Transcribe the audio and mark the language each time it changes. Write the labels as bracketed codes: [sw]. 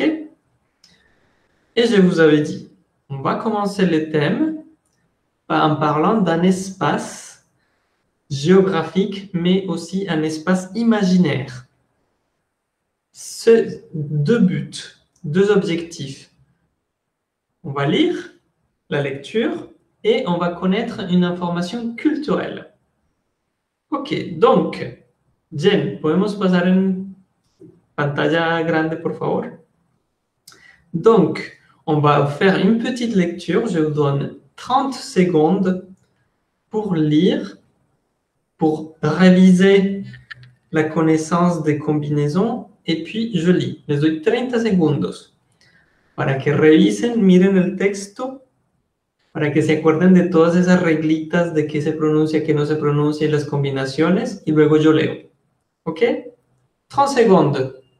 [fr] Et je vous avais dit, on va commencer les thèmes en parlant d'un espace géographique, mais aussi un espace imaginaire. Ce deux buts, deux objectifs. On va lire la lecture et on va connaître une information culturelle. Ok, donc, [es] Jen, podemos pasar en pantalla grande, por favor? [fr] Donc, on va faire une petite lecture. Je vous donne 30 secondes pour lire. Pour réviser la connaissance des combinaisons, et puis je lis. Les [es] 30 segundos. Para que revisen, miren el texto. Para que se acuerden de todas esas reglitas de qué se pronuncia, qué no se pronuncia y las combinaciones, y luego yo leo. ¿Ok? 30 segundos.